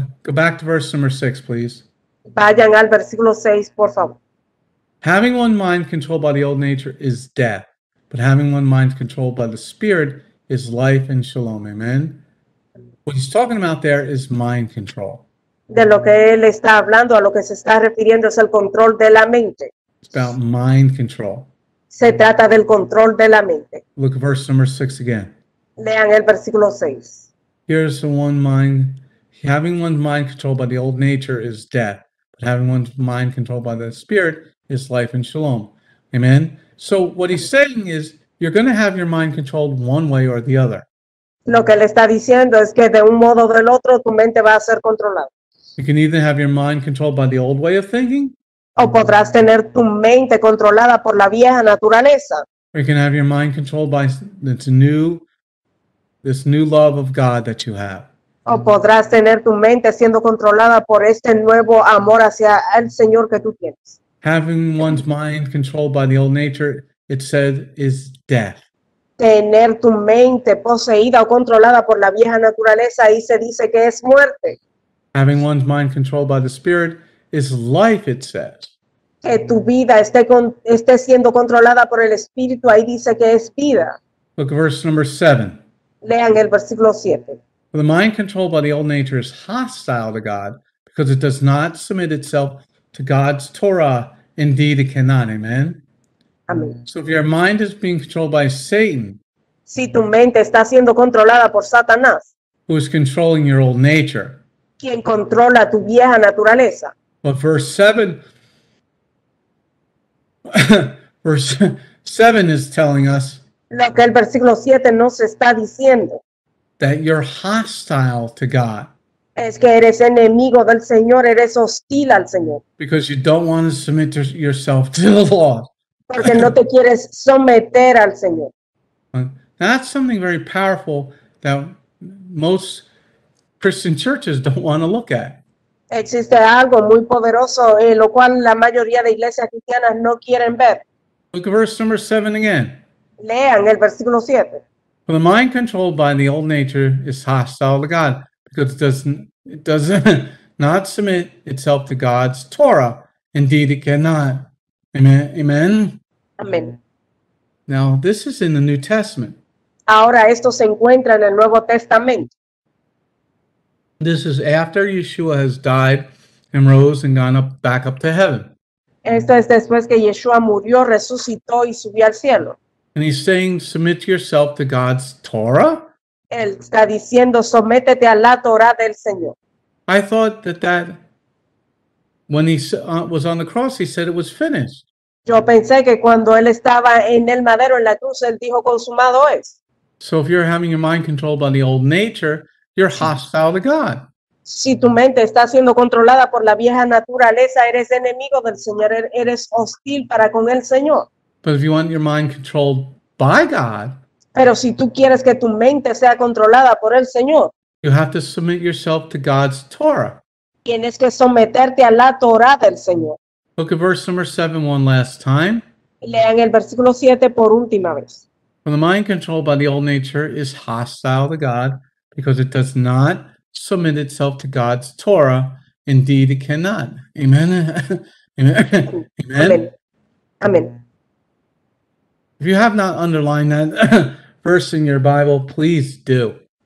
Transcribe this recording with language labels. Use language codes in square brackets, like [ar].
[en] Go back to verse number 6, please. [es] Vayan al versículo 6, por favor. [en] Having one mind controlled by the old nature is death, but having one mind controlled by the Spirit is life and shalom. Amen. What he's talking about there is mind control. [es] De lo que él está hablando, a lo que se está refiriendo, es el control de la mente. [en] It's about mind control. [es] Se trata del control de la mente. [en] Look at verse number 6 again. [es] Lean el versículo 6. [en] Here's the one mind. Having one mind controlled by the old nature is death. But having one mind controlled by the Spirit is life and shalom. Amen? So what he's saying is, you're going to have your mind controlled one way or the other. [es] Lo que él está diciendo es que de un modo o del otro, tu mente va a ser controlada. [en] You can either have your mind controlled by the old way of thinking. [es] O podrás tener tu mente controlada por la vieja naturaleza. [en] Or you can have your mind controlled by this new love of God that you have. [es] O podrás tener tu mente siendo controlada por este nuevo amor hacia el Señor que tú tienes. [en] Having one's mind controlled by the old nature, it said, is death. [es] Tener tu mente poseída o controlada por la vieja naturaleza, ahí se dice que es muerte. [en] Having one's mind controlled by the Spirit is life, it says. [es] Que tu vida esté siendo controlada por el Espíritu, ahí dice que es vida. [en] Look at verse number 7. [es] Lean el versículo 7. [en] For the mind controlled by the old nature is hostile to God, because it does not submit itself to God's Torah. Indeed, it cannot. Amen? Amen. So if your mind is being controlled by Satan, [es] si tu mente está siendo controlada por Satanás, [en] who is controlling your old nature, [es] quien controla tu vieja naturaleza. [en] But verse 7, verse 7 is telling us, [es] lo que el versículo 7 nos está diciendo, [en] that you're hostile to God. [es] Es que eres enemigo del Señor, eres hostil al Señor. [en] Because you don't want to submit yourself to the law. [es] Porque no te quieres someter al Señor. [en] That's something very powerful that most Christian churches don't want to look at. [es] Existe algo muy poderoso en lo cual la mayoría de iglesias cristianas no quieren ver. [en] Look at verse number 7 again. Lean el versículo 7. For the mind controlled by the old nature is hostile to God. Because it does not submit itself to God's Torah. Indeed, it cannot. Amen. Amen. Now, this is in the New Testament. [es] Ahora esto se encuentra en el Nuevo Testamento. [en] This is after Yeshua has died and rose and gone up back up to heaven. [es] Esto es después que Yeshua murió, resucitó y subió al cielo. [en] And he's saying, submit yourself to God's Torah. [es] Él está diciendo, sométete a la Torah del Señor. [en] I thought that when he was on the cross, he said it was finished. [es] Yo pensé que cuando él estaba en el madero, en la cruz, él dijo, consumado es. [en] So if you're having your mind controlled by the old nature, you're hostile to God. [es] Si tu mente está siendo controlada por la vieja naturaleza, eres enemigo del Señor, eres hostil para con el Señor. [en] But if you want your mind controlled by God, [es] pero si tú quieres que tu mente sea controlada por el Señor, [en] you have to submit yourself to God's Torah. [es] Tienes que someterte a la Torah del Señor. [en] Look at verse number 7 one last time. [es] Lean el versículo 7 por última vez. [en] For the mind controlled by the old nature is hostile to God because it does not submit itself to God's Torah. Indeed, it cannot. Amen. Amen. Amen. Amen. If you have not underlined that verse in your Bible, please do.